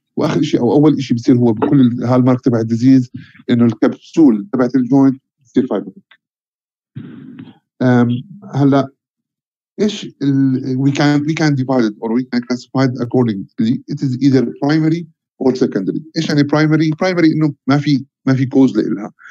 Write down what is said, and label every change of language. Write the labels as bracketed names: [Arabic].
[Arabic] واخر شيء او اول شيء بصير هو بكل هالمارك تبع الديزيز انه الكبسول تبعت الجوينت بتصير فايبريك. هلا ايش [English] we can divide it or we can classify it accordingly. It is either primary or secondary. [Arabic] ايش يعني primary؟ primary انه ما في كوز لها.